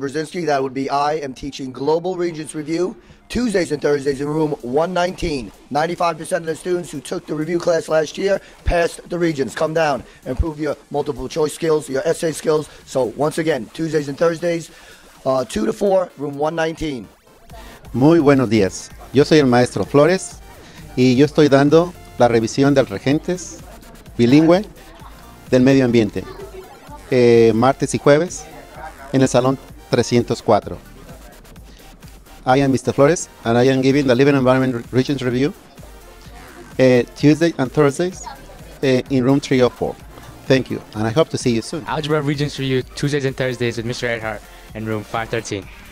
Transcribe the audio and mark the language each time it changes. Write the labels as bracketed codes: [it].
[en] Brzezinski, that would be I am teaching Global Regents Review, Tuesdays and Thursdays in room 119. 95% of the students who took the review class last year passed the Regents. Come down, improve your multiple choice skills, your essay skills. So once again, Tuesdays and Thursdays, 2 to 4, room 119. [es] Muy buenos días. Yo soy el maestro Flores. Y yo estoy dando la revisión del Regentes bilingüe del medio ambiente, martes y jueves, en el salón 304. [en] I am Mr. Flores, and I am giving the Living Environment Regents Review Tuesday and Thursdays in room 304. Thank you, and I hope to see you soon. Algebra Regents Review Tuesdays and Thursdays with Mr. Earhart in room 513.